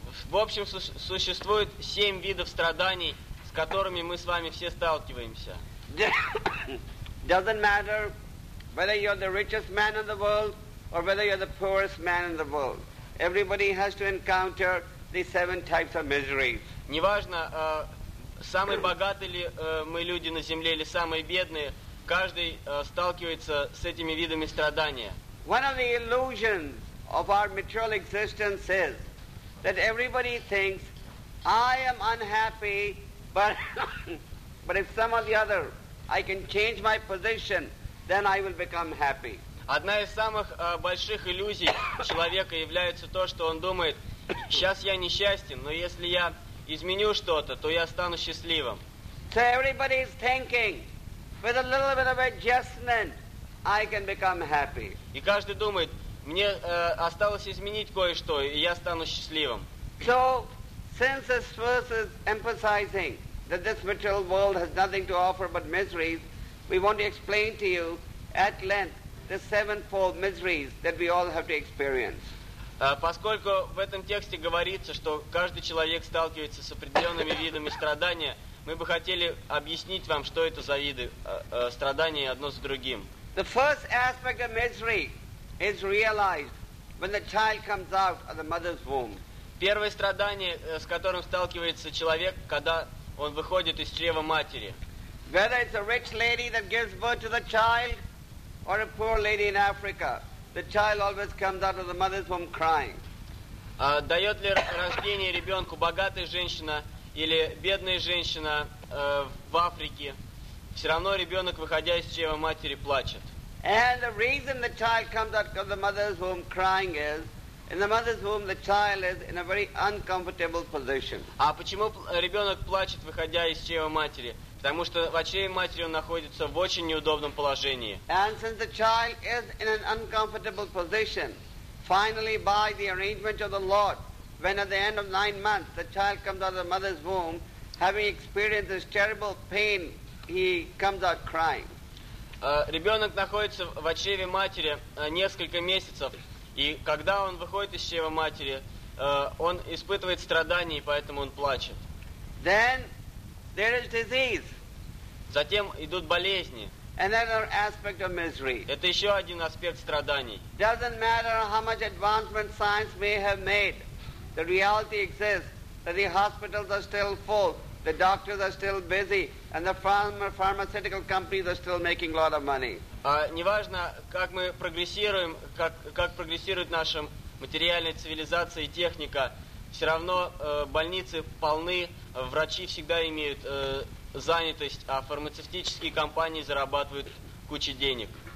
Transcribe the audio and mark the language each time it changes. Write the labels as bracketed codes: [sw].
[ru] В общем, существует семь видов страданий, с которыми мы с вами все сталкиваемся. [en] Doesn't matter whether you're the richest man in the world or whether you're the poorest man in the world. Everybody has to encounter these seven types of miseries. [ru] Неважно, самые богатые ли мы люди на земле или самые бедные, каждый сталкивается с этими видами страдания. [en] One of the illusions of our material existence is that everybody thinks I am unhappy, but if some of the other I can change my position, then I will become happy. [ru] Одна из самых больших иллюзий человека является то, что он думает: сейчас я несчастен, но если я изменю что-то, то я стану счастливым. [en] So everybody is thinking, with a little bit of adjustment, I can become happy. [ru] И каждый думает: мне осталось изменить кое-что, и я стану счастливым. [en] So, since this verse is emphasizing that this material world has nothing to offer but miseries, we want to explain to you at length the sevenfold miseries that we all have to experience. [ru] Поскольку в этом тексте говорится, что каждый человек сталкивается с определенными видами страдания, мы бы хотели объяснить вам, что это за виды страдания одно с другим. [en] The first aspect of misery is realized when the child comes out of the mother's womb. [ru] Первое страдание, с которым сталкивается человек, когда он выходит из чрева матери. [en] Whether it's a rich lady that gives birth to the child, or a poor lady in Africa, the child always comes out of the mother's womb crying. [ru] Дает ли рождение ребенку богатая женщина или бедная женщина в Африке, все равно ребенок, выходя из чрева матери, плачет. [en] And the reason the child comes out of the mother's womb crying is, in the mother's womb, the child is in a very uncomfortable position. [ru] А почему ребенок плачет, выходя из чрева матери? Потому что в чреве матери он находится в очень неудобном положении. [en] And since the child is in an uncomfortable position, finally by the arrangement of the Lord, when at the end of 9 months the child comes out of the mother's womb, having experienced this terrible pain, he comes out crying. [ru] Ребенок находится в чреве матери несколько месяцев, и когда он выходит из чрева матери, он испытывает страдания, и поэтому он плачет. [en] Then there is disease. [ru] Затем идут болезни. [en] Another aspect of misery. [ru] Это еще один аспект страданий. [en] Doesn't matter how much advancement science may have made, the reality exists that the hospitals are still full, the doctors are still busy, and the pharmaceutical companies are still making a lot of money. [ru] Неважно, как мы прогрессируем, как прогрессирует наша материальная цивилизация и техника, все равно больницы полны, врачи всегда имеют занятость, а фармацевтические компании зарабатывают кучу денег.